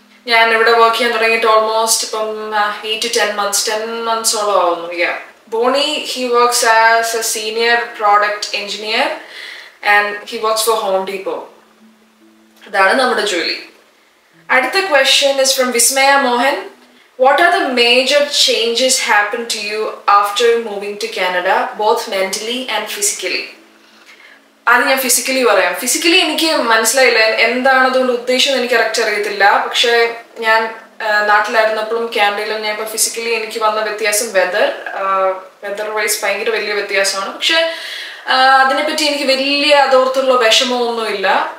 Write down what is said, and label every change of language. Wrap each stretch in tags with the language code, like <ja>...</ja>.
<ml>ഞാൻ ഇവിടെ വർക്ക് ചെയ്യാൻ തുടങ്ങിയിട്ട് ഓൾമോസ്റ്റ് ഇപ്പം 8 to 10 months, 10 months ആവുന്നു.</ml> <en>Yeah, Bonnie he works as a senior product engineer and he works for Home Depot.</en> <ml>ഇതാണ് നമ്മുടെ ജോലി. അടുത്ത</ml> <en>question is from</en> <ml>Vismaya Mohan.</ml> <en>What are the major changes happened to you after moving to Canada, both mentally and physically?</en> <ml>അത് ഞാൻ physically പറയാം. Physically എനിക്ക് മനസ്സിലായില്ല എന്താണ് അതുകൊണ്ട് ഉദ്ദേശം എനിക്ക് കറക്റ്റ് അറിയത്തില്ല. പക്ഷേ ഞാൻ നാട്ടിലായിരുന്നപ്പോഴും കാനഡയിലും ഞാൻ ഇപ്പോൾ ഫിസിക്കലി എനിക്ക് വന്ന വ്യത്യാസം വെതർ വൈസ് ഭയങ്കര വലിയ വ്യത്യാസമാണ്. പക്ഷേ അതിനെപ്പറ്റി എനിക്ക് വലിയ അതോർത്തുള്ള വിഷമമോ ഒന്നും ഇല്ല.</ml>